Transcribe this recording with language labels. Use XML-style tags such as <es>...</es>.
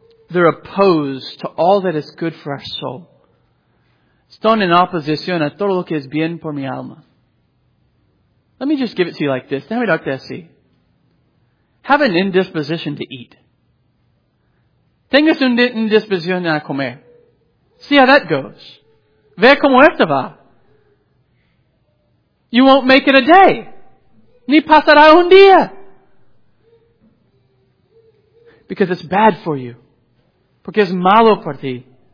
<en>They're opposed to all that is good for our soul.</en> <es>Están en oposición a todo lo que es bien por mi alma.</es> <en>Let me just give it to you like this.</en> <es>Déjame darte así.</es> <en>Have an indisposition to eat.</en> <es>Tengas una indisposición a comer.</es> <en>See how that goes.</en> <es>Ve cómo esto va.</es> <en>You won't make it a day.</en> <es>Ni pasará un día.</es> <en>Because it's bad for you.</en> <es>Porque es malo por ti.</es>